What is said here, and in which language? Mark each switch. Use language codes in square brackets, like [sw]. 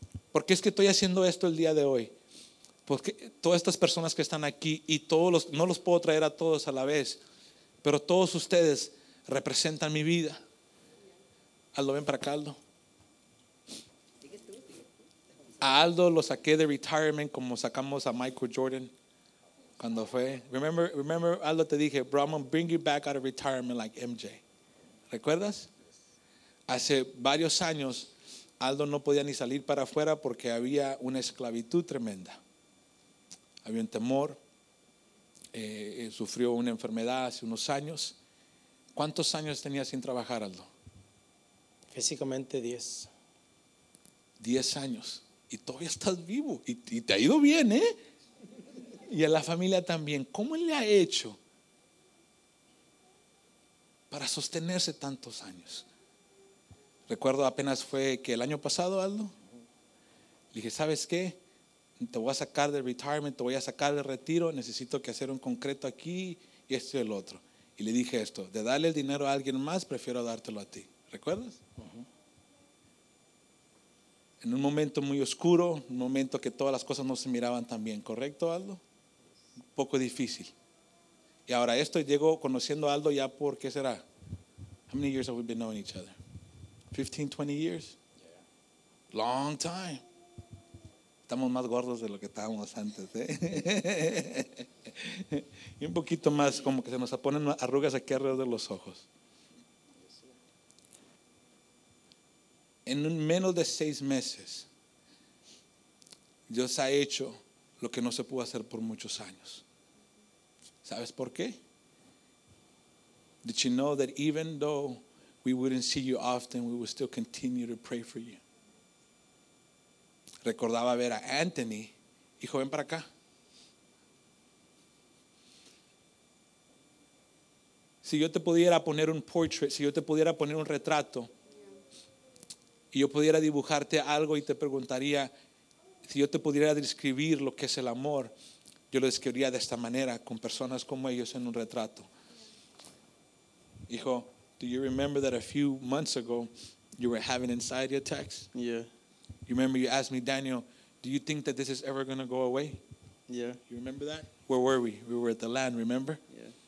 [es] ¿Por qué es que estoy haciendo esto el día de hoy? Porque todas estas personas que están aquí y todos los, no los puedo traer a todos a la vez, pero todos ustedes representan mi vida. Aldo, ven para acá, Aldo. A Aldo lo saqué de retirement como sacamos a Michael Jordan cuando fue. [en] Remember, Aldo, [es] te dije, [en] bro, I'm going to bring you back out of retirement like MJ. [es] ¿Recuerdas? Hace varios años, Aldo no podía ni salir para afuera porque había una esclavitud tremenda. Había un temor, sufrió una enfermedad hace unos años. ¿Cuántos años tenía sin trabajar, Aldo? Físicamente 10. 10 años. Y todavía estás vivo. Y te ha ido bien, ¿eh? Y a la familia también. ¿Cómo le ha hecho para sostenerse tantos años? Recuerdo apenas fue que el año pasado, Aldo, le dije, ¿sabes qué? Te voy a sacar del retirement, te voy a sacar del retiro, necesito que hacer un concreto aquí y esto y el otro. Y le dije esto, de darle el dinero a alguien más, prefiero dártelo a ti. ¿Recuerdas? Uh-huh. En un momento muy oscuro, un momento que todas las cosas no se miraban tan bien, ¿correcto, Aldo? Un poco difícil. Y ahora esto, llego conociendo a Aldo ya por, ¿qué será? [en] How many years have we been knowing each other? 15, 20 years? Long time. [es] Estamos más gordos de lo que estábamos antes, ¿eh? Y un poquito más, como que se nos ponen arrugas aquí alrededor de los ojos. En menos de 6 meses, Dios ha hecho lo que no se pudo hacer por muchos años. ¿Sabes por qué? [en] Did you know that even though we wouldn't see you often, we would still continue to pray for you? [es] Recordaba ver a Anthony. Hijo, ven para acá. Si yo te pudiera poner un portrait, si yo te pudiera poner un retrato, y yo pudiera dibujarte algo y te preguntaría, si yo te pudiera describir lo que es el amor, yo lo describiría de esta manera, con personas como ellos en un retrato. [en] Hijo, do you remember that a few months ago you were having anxiety attacks? Yeah. You remember you asked me, Daniel, do you think that this is ever going to go away? Yeah. You remember that? Where were we? We were at the land, remember? Yeah.